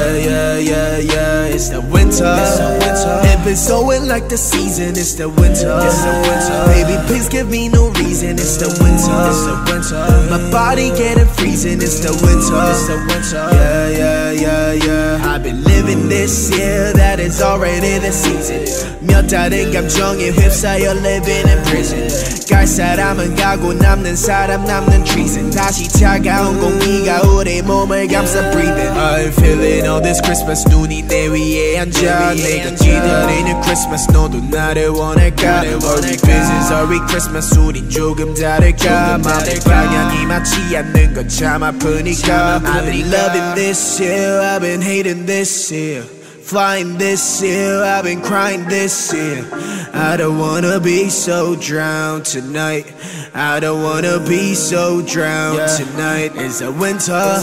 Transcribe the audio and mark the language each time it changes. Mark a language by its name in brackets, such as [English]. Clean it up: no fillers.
[English] Yeah, it's the winter. If it's snowing like the season, it's the winter. Baby, please give me no reason, it's the winter. My body getting freezing, it's the winter. Yeah. I've been living this year, that is already the season. [Korean] 몇 달의 감정에 휩싸여 [English] living in prison. [Korean] 갈 사람은 가고 남는 사람 남는 treason. 다시 차가운 공기가 우리 몸을 감싸 breathing. [English] I'm feeling all this Christmas, [Korean] 눈이 내 위에 앉아. 내가 기다리는 Christmas, 너도 나를 원할까? [English] Are we business, are we Christmas, [Korean] 우린 조금 다를까? 맘의 방향이 맞지 않는 건 참 아프니까. [English] I've been loving this year, I've been hating this year. Flying this year, I've been crying this year. I don't wanna be so drowned tonight. I don't wanna be so drowned tonight. It's the winter.